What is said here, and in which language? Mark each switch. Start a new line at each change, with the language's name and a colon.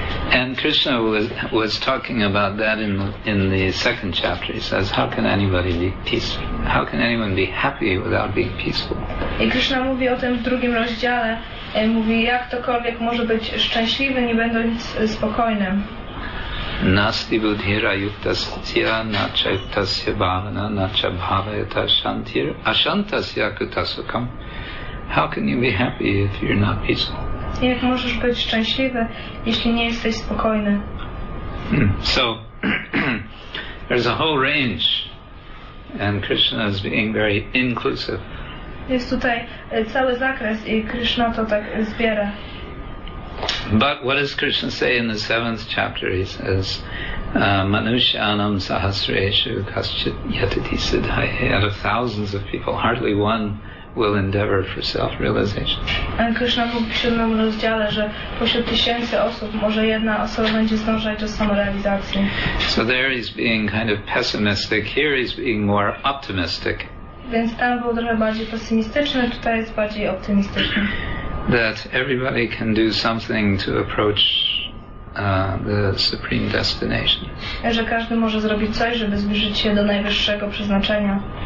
English: And Krishna was talking about that in the second chapter. He says, how can anybody be peaceful? How can anyone be happy without being peaceful?
Polish: I Krishna mówi o tym w drugim rozdziale. Mówi, jak ktokolwiek może być szczęśliwy, nie będąc spokojnym.
Sanskrit: Nasti buddhira yukta satya na chaitasya bhavana na cha bhavayata shantir ashantasya kutasukam.
English: How can you be happy if you're not peaceful?
Polish: Jak możesz być szczęśliwy, jeśli nie jesteś spokojny?
English: So, there's a whole range, and Krishna is being very inclusive.
Polish: Jest tutaj cały zakres i Krishna to tak zbiera.
English: But what does Krishna say in the seventh chapter? He says,
Sanskrit: manushyanam sahasreshu kaschit yatiti siddhaye.
English: Out of thousands of people, hardly one will endeavor for self-realization.
Polish: And Krishna mówi w siódmym rozdziale, że pośród tysięcy osób może jedna osoba będzie zdążać do samorealizacji.
English: So there he's being kind of pessimistic. Here he's being more optimistic.
Polish: Więc tam był trochę bardziej pesymistyczny, tutaj jest bardziej optymistyczny.
English: That everybody can do something to approach the supreme destination.
Polish: Że każdy może zrobić coś, żeby zbliżyć się do najwyższego przeznaczenia.